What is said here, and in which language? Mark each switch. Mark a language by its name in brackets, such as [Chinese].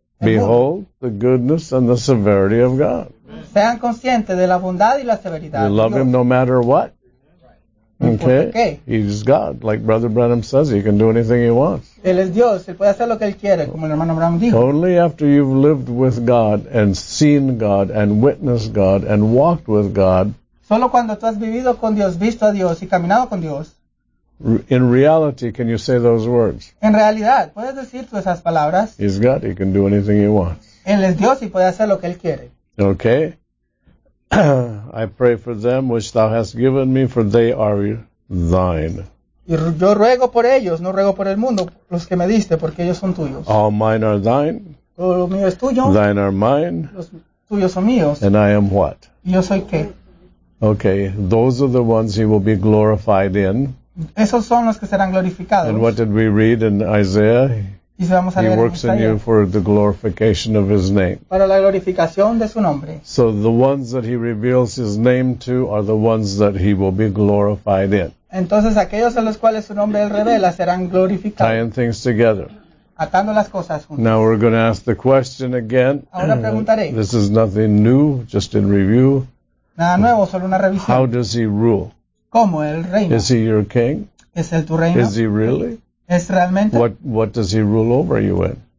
[English] Behold the goodness and the severity of God. [Spanish] Sean conscientes de la bondad y la severidad. [English] You love him no matter what. Okay. He's God. Like Brother Branham says, he can do anything he wants. [Spanish] Él es Dios. Él puede hacer lo que él quiere, como el hermano Branham dijo. [English] Only after you've lived with God and seen God and witnessed God and walked with God. [Spanish] Solo cuando tú has vivido con Dios, visto a Dios y caminado con Dios. [English] In reality, can you say those words? [Spanish] En realidad, ¿puedes decir tú esas palabras? [English] He's God, he can do anything he wants. [Spanish] Él es Dios y puede hacer lo que él quiere. [English] Okay. I pray for them which thou hast given me, for they are thine. [Spanish] Y yo ruego por ellos, no ruego por el mundo, los que me diste, porque ellos son tuyos. [English] All mine are thine. [Spanish] Todo lo mío es tuyo. [English] Thine are mine. [Spanish] Los tuyos son míos. [English] And I am what? [Spanish] ¿Y yo soy qué? [English] Okay, those are the ones he will be glorified in. [Spanish] Esos son los que serán glorificados. [English] And what did we read in Isaiah? [Spanish] Y si vamos a [English] he works in you for the glorification of his name. [Spanish] Para la glorificación de su nombre. [English] So the ones that he reveals his name to are the ones that he will be glorified in. [Spanish] Entonces aquellos a los cuales su nombre él revela serán glorificados. [English] Tying things together. [Spanish] Atando las cosas juntas. [English] Now we're going to ask the question again. [Spanish] Ahora preguntaré. [English] This is nothing new, just in review. [Spanish] Nada nuevo, solo una revisión. [English] How does he rule? [Spanish] ¿Cómo él reina? [English] Is he your king? [Spanish] ¿Es él tu reino? [English] Is he really? [Spanish] ¿Es realmente? [English] What does he rule over you in?